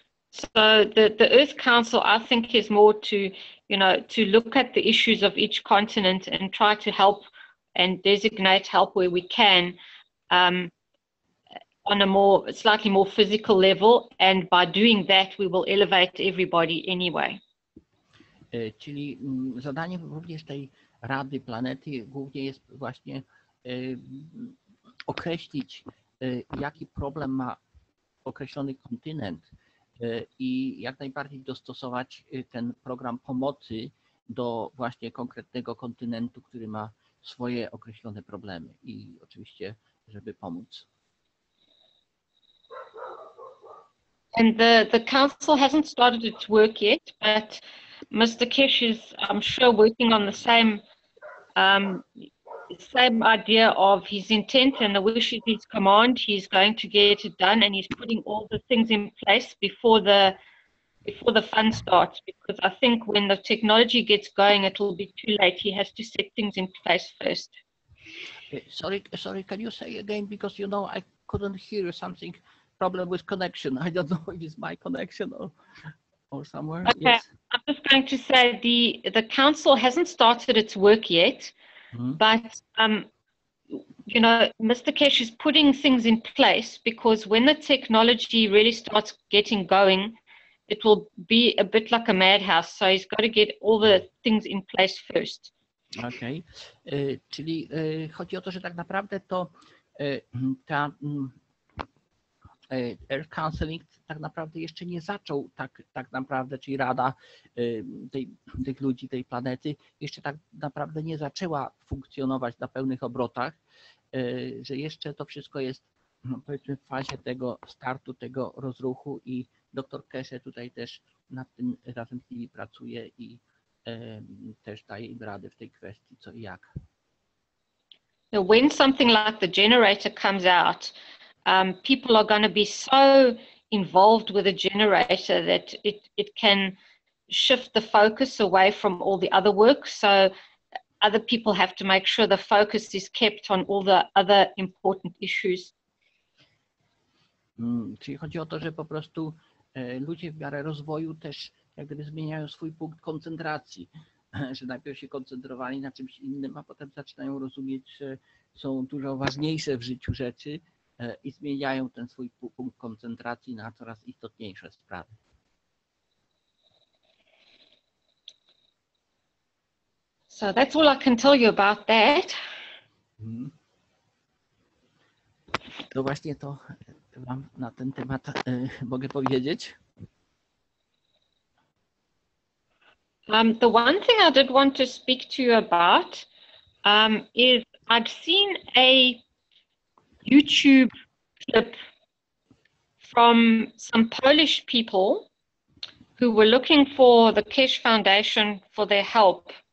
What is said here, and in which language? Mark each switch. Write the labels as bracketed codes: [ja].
[en] So the Earth Council, I think, is more to, to look at the issues of each continent and try to help and designate help where we can. on a more slightly more physical level, and by doing that we will elevate everybody anyway. [pl] Czyli zadaniem również tej Rady Planety głównie jest właśnie określić, jaki problem ma określony kontynent i jak najbardziej dostosować ten program pomocy do właśnie konkretnego kontynentu, który ma swoje określone problemy i oczywiście, żeby pomóc. [en] And the council hasn't started its work yet, but Mr. Keshe is, I'm sure, working on the same idea of his intent, and the wish is his command. He's going to get it done, and he's putting all the things in place before the fun starts, because I think when the technology gets going, it will be too late. He has to set things in place first. Sorry, can you say again? Because, you know, I couldn't hear something. Problem with connection. I don't know if it's my connection or somewhere. Okay, yes. I'm just going to say the council hasn't started its work yet, mm-hmm. but you know, Mr. Keshe is putting things in place, because when the technology really starts getting going, it will be a bit like a madhouse. So he's got to get all the things in place first. [pl] Okay, czyli chodzi o to, że tak naprawdę to ta Earth Counseling tak naprawdę jeszcze nie zaczął tak naprawdę, czyli Rada tych ludzi, tej planety, jeszcze tak naprawdę nie zaczęła funkcjonować na pełnych obrotach, że jeszcze to wszystko jest, no, powiedzmy, w fazie tego startu, tego rozruchu, i dr Keshe tutaj też nad tym razem z nimi pracuje i też daje im rady w tej kwestii, co i jak. [en] When something like the generator comes out, people are going to be so involved with a generator that it can shift the focus away from all the other work. So other people have to make sure the focus is kept on all the other important issues. [pl] Czyli chodzi o to, że po prostu ludzie w miarę rozwoju też jak gdyby zmieniają swój punkt koncentracji, że najpierw się koncentrowali na czymś innym, a potem zaczynają rozumieć, że są dużo ważniejsze w życiu rzeczy. I zmieniają ten swój punkt koncentracji na coraz istotniejsze sprawy. [en] So that's all I can tell you about that. [pl] To właśnie to wam na ten temat mogę powiedzieć. [en] The one thing I did want to speak to you about is I've seen a YouTube clip from some Polish people who were looking for the Keshe Foundation for their help.